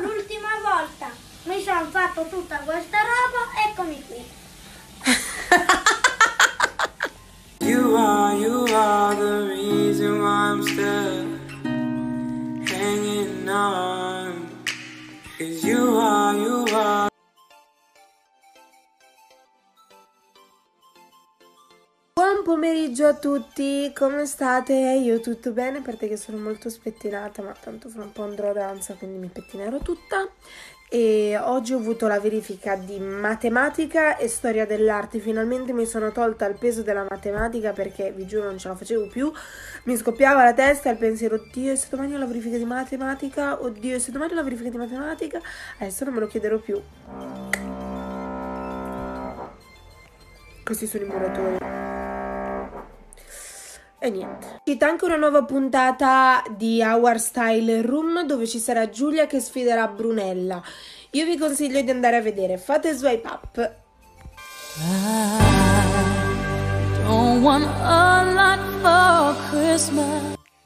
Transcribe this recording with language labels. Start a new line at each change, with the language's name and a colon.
Italian: L'ultima volta mi sono fatto tutta questa roba, eccomi qui.
English: You are the reason why I'm still hanging on. Cause you are
Italian: Buon pomeriggio a tutti, come state? Io tutto bene, a parte che sono molto spettinata, ma tanto fra un po' andrò a danza, quindi mi pettinerò tutta. E oggi ho avuto la verifica di matematica e storia dell'arte. Finalmente mi sono tolta il peso della matematica, perché vi giuro non ce la facevo più. Mi scoppiava la testa il pensiero: oddio, e se domani ho la verifica di matematica? Oddio, e se domani ho la verifica di matematica? Adesso non me lo chiederò più. Questi sono i muratori. E niente. C'è anche una nuova puntata di Our Style Room, dove ci sarà Giulia che sfiderà Brunella. Io vi consiglio di andare a vedere. Fate swipe up.
English: I don't want a lot for Christmas.